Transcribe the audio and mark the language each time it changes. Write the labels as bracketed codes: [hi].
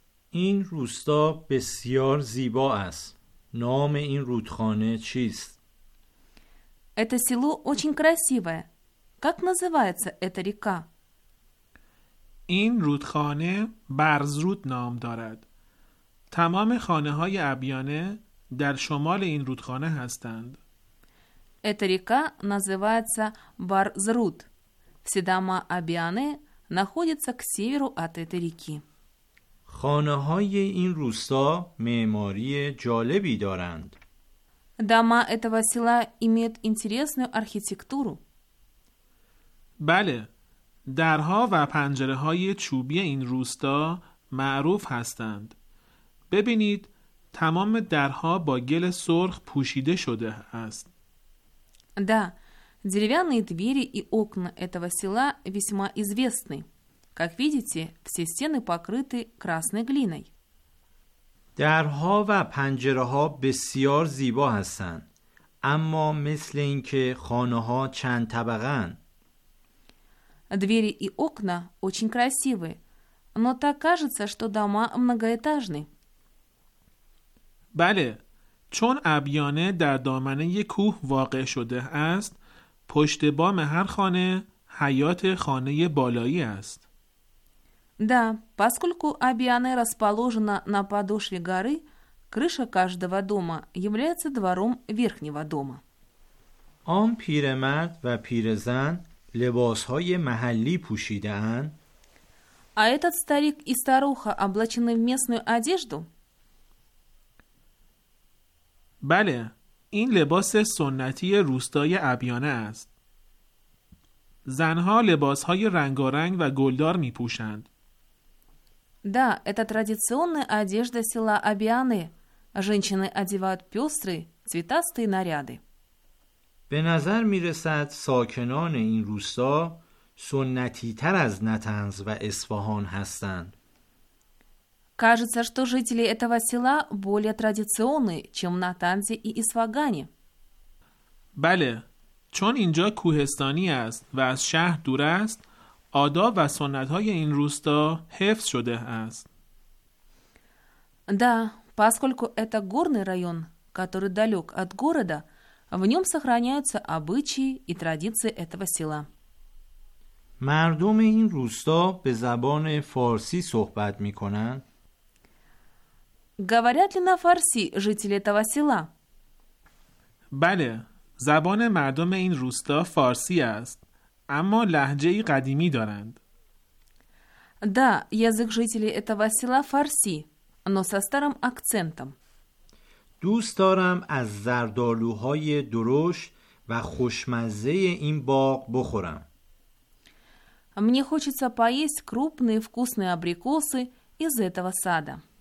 [fa] این روستا بسیار زیبا است. نام این رودخانه چیست؟ [ru] Это село очень красивое. Как называется эта река? [fa] این رودخانه برزرود نام دارد. تمام خانه های ابیانه در شمال این رودخانه هستند. [ru] Эта река называется Барзруд. Все дома ابیانه находятся к северу от этой реки. [fa] خانه های این روستا معماری جالبی دارند. [ru] Дома этого села имеют интересную архитектуру. [fa] بله، درها و پنجره های چوبی این روستا معروف هستند. ببینید، تمام درها با گل سرخ پوشیده شده است. [ru] Да, деревянные двери и окна этого села весьма известны. Как видите, все стены покрыты красной глиной. [fa] درها و پنجره ها بسیار زیبا هستند. اما مثل اینکه خانه ها چند طبقه اند. [ru] Двери и окна очень красивы, но так кажется, что дома многоэтажны. [fa] بله، چون ابیانه در دامنه کوه واقع شده است، پشت بام هر خانه حیاط خانه بالایی است. [ru] Да, поскольку Абьяне расположена на подошве горы, крыша каждого дома является двором верхнего дома. [fa] آن پیرمرد و پیرزن لباس‌های محلی پوشیده‌اند. [ru] А этот старик и старуха облачены в местную одежду? [fa] بله، این لباس سنتی روستای ابیانه است. زن‌ها لباس‌های رنگارنگ و گلدار می‌پوشند. [ru] Да, это традиционная одежда села Абьяне. Женщины одевают пестрые, цветастые наряды. [fa] به نظر میرسد ساکنان این روستا سنتی تر از نطنز و اصفهان هستند. [ru] Кажется, что жители этого села более традиционные, чем на Танзе и Исфагане. [fa] بله، چون اینجا کوهستانی است و از شهر دور است، آداب و سنت‌های این روستا حفظ شده است. [ru] Да, поскольку это горный район, который далёк от города, в нём сохраняются обычаи и традиции этого села. [fa] مردم این روستا به زبان فارسی صحبت می‌کنند. [ru] Говорят ли на фарси жители этого села? [fa] بله، زبان مردم این روستا فارسی است. اما لهجه قدیمی دارند. [ru] Да, язык жителей этого села фарси, но со старым акцентом. [fa] دوست دارم از زردالوهای درشت و خوشمزه این باغ بخورم. [ru] Мне хочется поесть крупные вкусные абрикосы из этого сада.